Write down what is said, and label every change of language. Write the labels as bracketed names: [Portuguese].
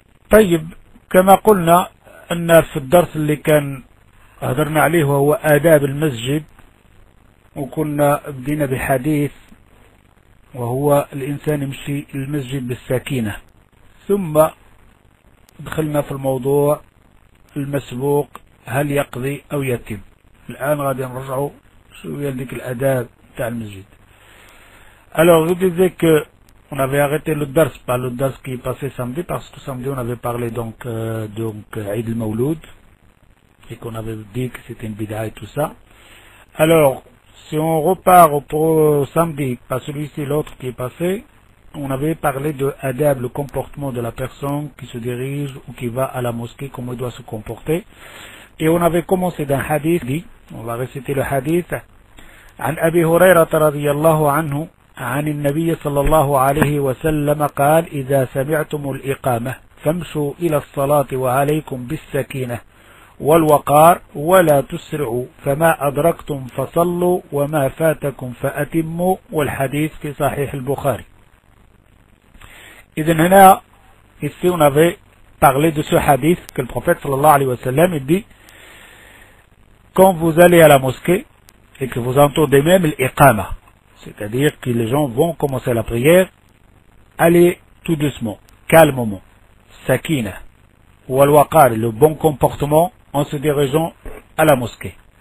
[Arabic] طيب، كما قلنا أن في الدرس اللي كان أهدرنا عليه وهو آداب المسجد، وكنا بدينا بحديث وهو الإنسان يمشي المسجد بالساكينة، ثم دخلنا في الموضوع المسبوق هل يقضي أو يتم. الآن غادي نرجعوا شوية لديك الآداب تاع المسجد. [French] alors je disais que on avait arrêté le dars, pas le dars qui est passé samedi, parce que samedi on avait parlé donc Eid al-Mawloud, et qu'on avait dit que c'était une bid'a et tout ça. Alors, si on repart pour samedi, pas celui-ci, l'autre qui est passé, on avait parlé de adab, le comportement de la personne qui se dirige ou qui va à la mosquée, comment elle doit se comporter. Et on avait commencé d'un hadith, dit, on va réciter le hadith, [Arabic] عن أبي هريرة رضي الله عنه عن النبي صلى الله عليه وسلم قال إذا سمعتم الإقامة فامشوا إلى الصلاة وعليكم بالسكينة والوقار ولا تسرعوا، فما أدركتم فصلوا وما فاتكم فأتموا. والحديث في صحيح البخاري. إذن هنا [French] ici on avait parlé de ce hadith que le prophète [Arabic] صلى الله عليه وسلم [French] dit quand vous allez à la mosquée et que vous entendez même الإقامة. C'est-à-dire que les gens vont commencer la prière, aller tout doucement, calmement, sakina, ou al-waqar, le bon comportement, en se dirigeant à la mosquée.